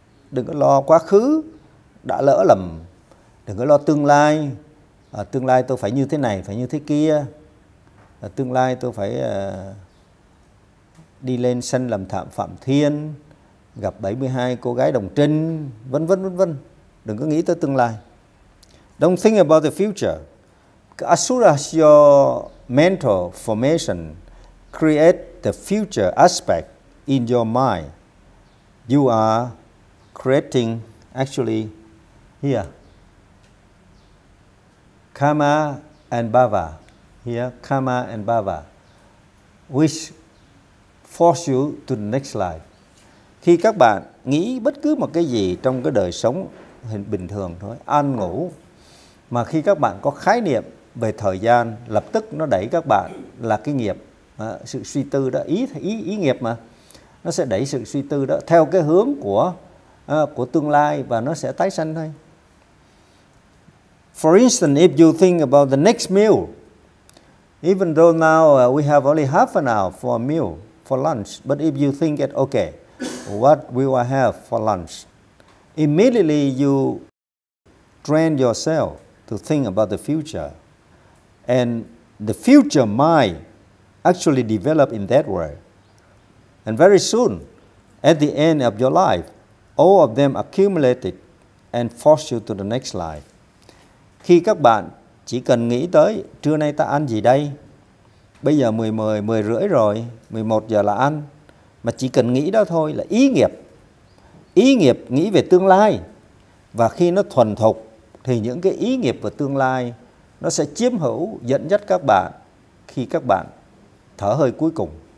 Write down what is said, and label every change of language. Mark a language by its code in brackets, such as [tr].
[vi] Đừng có lo quá khứ, đã lỡ lầm. Đừng có lo tương lai. Tương lai tôi phải như thế này, phải như thế kia. Tương lai tôi phải đi lên sanh làm thảm phạm thiên, gặp 72 cô gái đồng trinh, vân vân vân vân. Đừng có nghĩ tới tương lai. [en] Don't think about the future. As soon as your mental formation creates the future aspect in your mind, you are creating actually here karma and bhava. Here karma and bhava, which force you to the next life. [vi] Khi các bạn nghĩ bất cứ một cái gì trong cái đời sống bình thường thôi, ăn ngủ, mà khi các bạn có khái niệm về thời gian, lập tức nó đẩy các bạn là cái nghiệp, sự suy tư đó, ý nghiệp mà, nó sẽ đẩy sự suy tư đó theo cái hướng của tương lai và nó sẽ tái sanh thôi. [en] For instance, if you think about the next meal, even though now we have only half an hour for a meal, for lunch, but if you think it, okay, what will I have for lunch? Immediately you train yourself to think about the future. And the future mind actually develop in that way. And very soon, at the end of your life, all of them accumulated and force you to the next life. [vi] Khi các bạn chỉ cần nghĩ tới trưa nay ta ăn gì đây, bây giờ 10 rưỡi rồi, 11 giờ là ăn, mà chỉ cần nghĩ đó thôi là ý nghiệp. Ý nghiệp nghĩ về tương lai, và khi nó thuần thục thì những cái ý nghiệp về tương lai nó sẽ chiếm hữu dẫn dắt các bạn khi các bạn thở hơi cuối cùng.